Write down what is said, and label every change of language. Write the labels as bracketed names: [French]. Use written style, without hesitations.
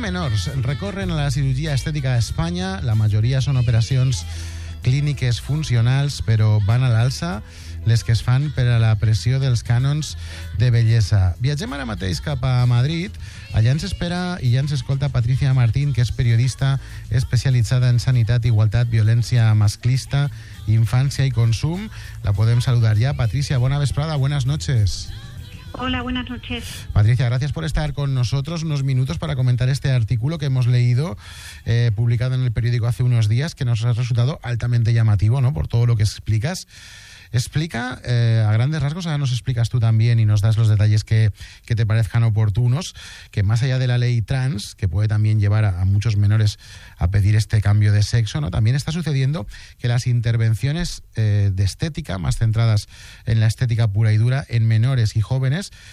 [Catalan] tumors recorren a la [Spanish] cirugía estética de España. La mayoría son operaciones [Catalan] clíniques funcionals, però van a l'alça les que es fan per a la pressió dels cànons de bellesa. Viatgem ara mateix cap a Madrid. Allà ens espera i ja ens escolta Patricia Martín, que és periodista especialitzada en sanitat, igualtat, violència masclista, infància i consum. La podem saludar ja. Patricia, bona vesprada, [Spanish] buenas noches. Hola, buenas noches. Patricia, gracias por estar con nosotros unos minutos para comentar este artículo que hemos leído, publicado en el periódico hace unos días, que nos ha resultado altamente llamativo, ¿no?, por todo lo que explicas. Explica, a grandes rasgos, ahora nos explicas tú también y nos das los detalles que te parezcan oportunos, que más allá de la ley trans, que puede también llevar a muchos menores a pedir este cambio de sexo, ¿no?, también está sucediendo que las intervenciones de estética, más centradas en la estética pura y dura, en menores y jóvenes,